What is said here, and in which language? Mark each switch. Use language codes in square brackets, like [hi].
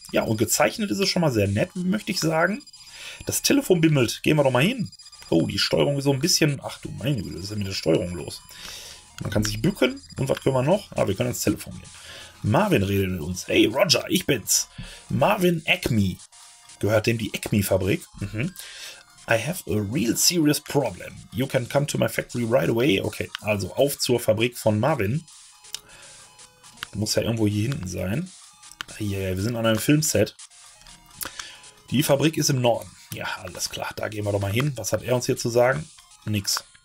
[de] Ja, und gezeichnet ist es schon mal sehr nett, möchte ich sagen. Das Telefon bimmelt, gehen wir doch mal hin. Oh, die Steuerung ist so ein bisschen, ach du meine Güte, was ist denn mit der Steuerung los? Man kann sich bücken und was können wir noch? Ah, wir können ans Telefon gehen. Marvin redet mit uns. Hey Roger, ich bin's. Marvin Acme. Gehört dem die Acme-Fabrik? Mhm. [en] I have a real serious problem. You can come to my factory right away. [de] Okay, also auf zur Fabrik von Marvin. Muss ja irgendwo hier hinten sein. Ja, yeah, wir sind an einem Filmset. Die Fabrik ist im Norden. Ja, alles klar, da gehen wir doch mal hin. Was hat er uns hier zu sagen? Nix.